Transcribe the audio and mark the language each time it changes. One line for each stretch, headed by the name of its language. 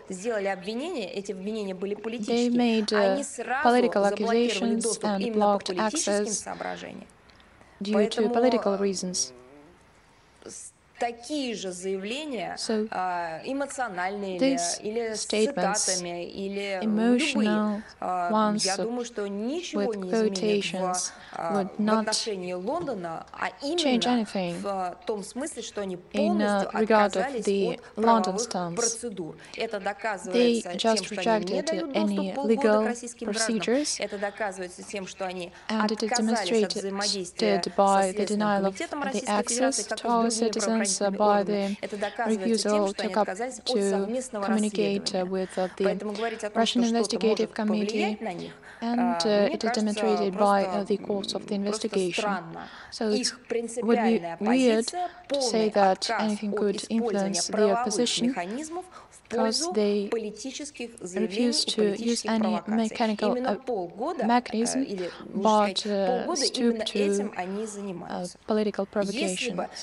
English: They made political accusations and blocked access due to political reasons.
Russian: Такие же заявления, эмоциональные или с цитатами, или любые, я думаю, что ничего не изменит в отношении Лондона, а именно в том смысле, что они полностью отказались от правовых процедур. Это доказывается тем, что они не дают доступ к российским гражданам. Это доказывается тем, что они отказались от взаимодействия с Следственным комитетом Российской Федерации, как и с другими.
English: By the refusal to communicate with the Russian investigative committee, and it is demonstrated by the course of the investigation. So it would be weird to say that anything could influence their position, because they refuse to use any mechanical mechanism, but stoop to political provocation.